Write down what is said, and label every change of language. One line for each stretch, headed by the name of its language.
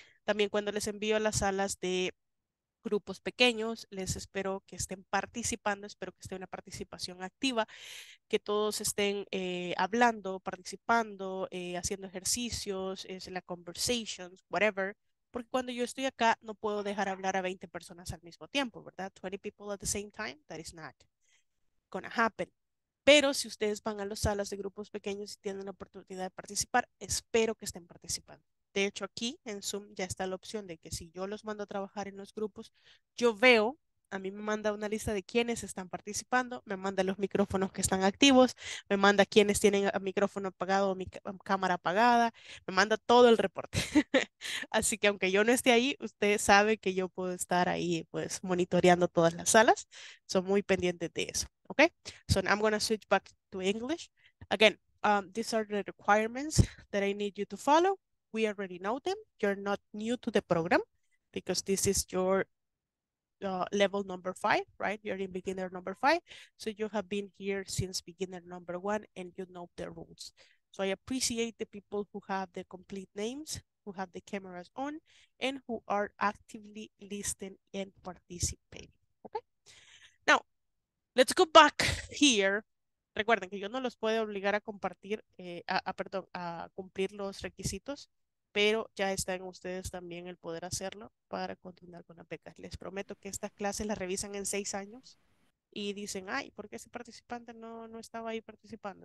Spanish: También cuando les envío a las salas de grupos pequeños, les espero que estén participando, espero que esté una participación activa, que todos estén hablando, participando, haciendo ejercicios, es la
English: conversations, whatever,
Spanish: porque cuando yo estoy acá no puedo dejar hablar a 20 personas al mismo tiempo, ¿verdad?
English: 20 people at the same time, that is not gonna happen.
Spanish: Pero si ustedes van a las salas de grupos pequeños y tienen la oportunidad de participar, espero que estén participando. De hecho, aquí en Zoom ya está la opción de que si yo los mando a trabajar en los grupos, yo veo, a mí me manda una lista de quiénes están participando, me manda los micrófonos que están activos, me manda quiénes tienen el micrófono apagado o mi cámara apagada, me manda todo el reporte. Así que aunque yo no esté ahí, usted sabe que yo puedo estar ahí, pues, monitoreando todas las salas. Son muy pendientes de eso, ¿ok?
English: So I'm going to switch back to English. Again, these are the requirements that I need you to follow. We already know them. You're not new to the program because this is your level number 5, right? You're in beginner number 5. So you have been here since beginner number 1 and you know the rules. So I appreciate the people who have the complete names, who have the cameras on, and who are actively listening and participating. Okay. Now, let's go back here.
Spanish: Recuerden que yo no los puedo obligar a compartir, a cumplir los requisitos. Pero ya está en ustedes también el poder hacerlo para continuar con las becas. Les prometo que estas clases las revisan en 6 años y dicen, ay, ¿por qué ese participante no estaba ahí participando?